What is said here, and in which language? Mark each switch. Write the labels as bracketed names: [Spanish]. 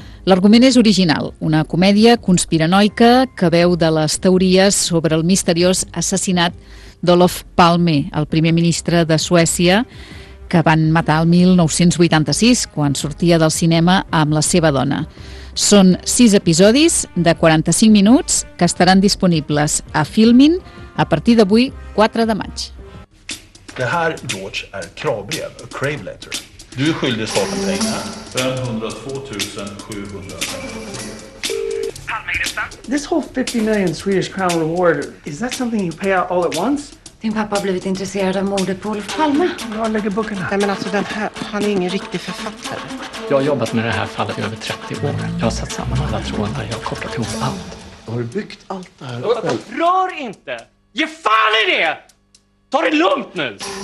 [Catalan] L'argument és original, una comèdia conspiranoica que veu de les teories sobre el misteriós assassinat d'Olof Palme, el primer ministre de Suècia, que van matar el 1986 quan sortia del cinema amb la seva dona. Són 6 episodis de 45 minuts que estaran disponibles a Filmin a partir d'avui, 4 de maig. [Swedish] Det här, George, är kravbrev, [English] a crave letter. [Swedish] Du är skyldig staten pengar. 502 700. [English] This whole 50 million Swedish crown reward, is that something you pay out all at once? [Swedish] Din pappa har blivit intresserad av mordet på Olof Palme. Jag lägger boken här. Nej, men alltså den här, han är ingen riktig författare. Jag har jobbat med det här fallet i över 30 år. Jag har satt samman alla trådar, jag har kopplat ihop allt. Har du byggt allt det här? Rör inte! Ge fan i det! Ta det lugnt nu!